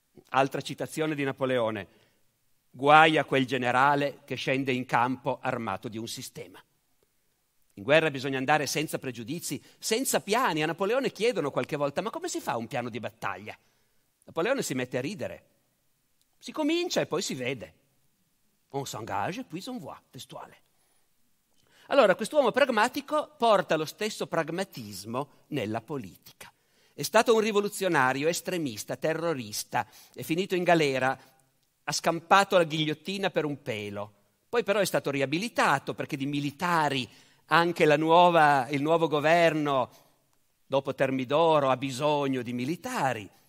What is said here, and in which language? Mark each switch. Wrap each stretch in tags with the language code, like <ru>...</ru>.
<it>Altra citazione di Napoleone: guai a quel generale che scende in campo armato di un sistema. In guerra bisogna andare senza pregiudizi, senza piani. A Napoleone chiedono qualche volta: ma come si fa un piano di battaglia? Napoleone si mette a ridere. Si comincia e poi si vede.</it> <fr>On s'engage, puis on voit, testuale.</fr> <it>Allora, quest'uomo pragmatico porta lo stesso pragmatismo nella politica. È stato un rivoluzionario, estremista, terrorista, è finito in galera, ha scampato la ghigliottina per un pelo. Poi però è stato riabilitato, perché di militari anche il nuovo governo, dopo Termidoro, ha bisogno di militari.</it>